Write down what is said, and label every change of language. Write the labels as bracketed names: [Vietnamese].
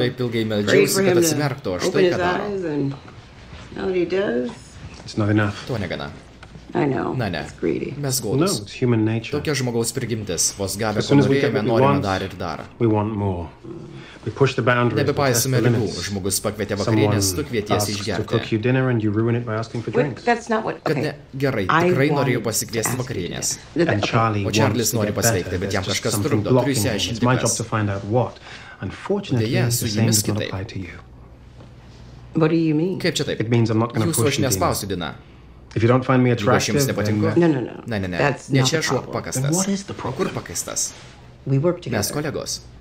[Lithuanian] taip ilgai meldžiausi, kad atsimerktų, o štai ką daro. [English] It's not enough. [Lithuanian] To negana. [English] I know. [Lithuanian] Na, ne. [English] It's greedy. [Lithuanian] Mes godus. [English] No, it's human nature. [Lithuanian] Tokia žmogaus prigimtis. Vos gavę, ko norėjome, norime dar ir dar. [English] We want more. We push the boundaries. [Lithuanian] Nebepaisome ribų. Žmogus pakvietė vakarienės, tu kvieties išgerti. [English] Someone asks to cook you dinner and you ruin it by asking for drinks. That's not what... Okay. [Lithuanian] Gerai, tikrai norėjau pasikviesti vakarienės. [English] And Charlie wants to get better. [Lithuanian] Nori pasveikti, bet jam kažkas trukdo. Turiu išsiaiškinti kas. [English] It's my job to find out what. Unfortunately, the same does not apply to you. What do you mean? [Lithuanian] Kaip čia taip? [English] It means I'm not going to push you dinner. If you don't find me attractive, then... No. That's not the problem. Then what is the problem? [Lithuanian] Kur pakastas? [English] We work together. [Lithuanian] Mes kolegos.